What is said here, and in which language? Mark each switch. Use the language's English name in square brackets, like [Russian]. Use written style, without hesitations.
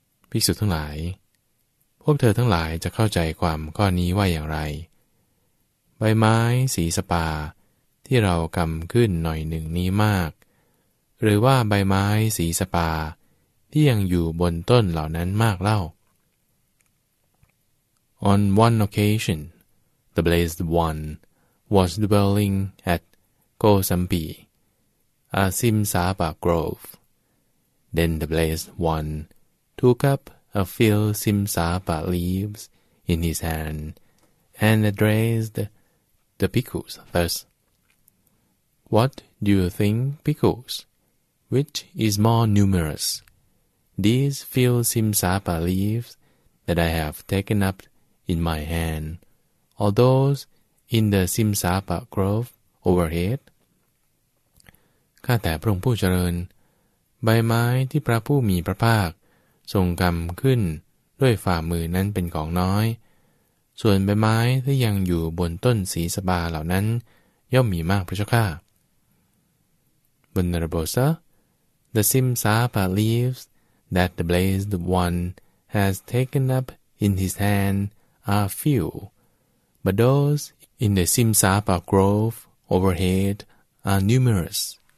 [Thai] ภิกษุทั้งหลายพวกเธอทั้งหลายจะเข้าใจความข้อนี้ว่าอย่างไรใบไม้สีสปาที่เรากำขึ้นหน่อยหนึ่งนี้มากหรือว่าใบไม้สีสปาที่ยังอยู่บนต้นเหล่านั้นมากเล่า [English] On one occasion, the blessed one was dwelling at Kosambi, a Simsapa grove. Then the blessed one took upa few Simsapa leaves in his hand and addressed the bhikkhus thus. What do you think, bhikkhus? Which is more numerous, these few Simsapa leaves that I have taken up in my hand, or those in the Simsapa grove overhead? [Thai] ข้าแต่พระองค์ผู้เจริญใบไม้ที่พระผู้มีพระภาคทรงกำขึ้นด้วยฝ่ามือนั้นเป็นของน้อย ส่วนใบไม้ที่ยังอยู่บนต้นสีสปาเหล่านั้นย่อมมีมากพระเจ้าค่ะ [English] Venerable sir, the Simsapa leaves that the blessed one has taken up in his hand are few, but those in the Simsapa grove overhead are numerous.